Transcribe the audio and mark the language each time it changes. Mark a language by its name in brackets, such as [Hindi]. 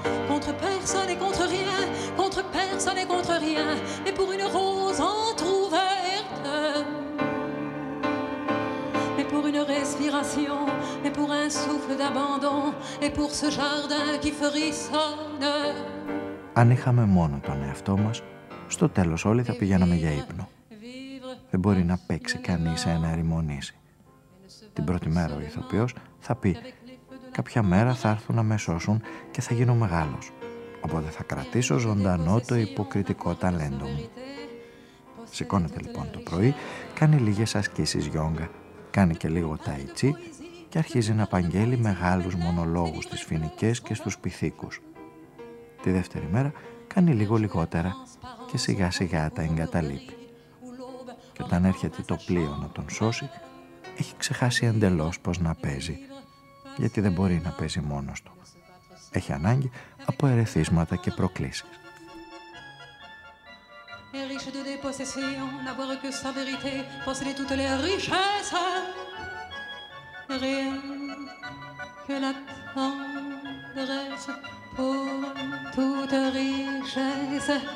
[French] Contre personne et contre rien, contre personne et contre rien, et pour une rose entr'ouverte. Et pour une respiration, et pour un souffle d'abandon, et pour ce jardin qui frissonne. [Greek] Αν είχαμε μόνο τον εαυτό μας, στο τέλος όλοι θα πηγαίναμε για ύπνο. Δεν μπορεί να παίξει κανείς ένα ερημονήσι. Την πρώτη μέρα ο ηθοποιός θα πει «Κάποια μέρα θα έρθουν να με σώσουν και θα γίνω μεγάλος, οπότε θα κρατήσω ζωντανό το υποκριτικό ταλέντο μου». Σηκώνεται λοιπόν το πρωί, κάνει λίγες ασκήσεις γιόγκα, κάνει και λίγο τάι τσι και αρχίζει να απαγγέλει μεγάλους μονολόγους στις φοινικές και στους πιθήκους. Τη δεύτερη μέρα κάνει λίγο λιγότερα και σιγά σιγά τα εγκαταλείπει. Και όταν έρχεται το πλοίο να τον σώσει, έχει ξεχάσει εντελώς πως να παίζει, γιατί δεν μπορεί να παίζει μόνος του. Έχει ανάγκη από ερεθίσματα και προκλήσεις. [French] et riche de dépossession, n'avoir que sa vérité, posséder toutes les richesses, rien que la tendresse pour toute richesse.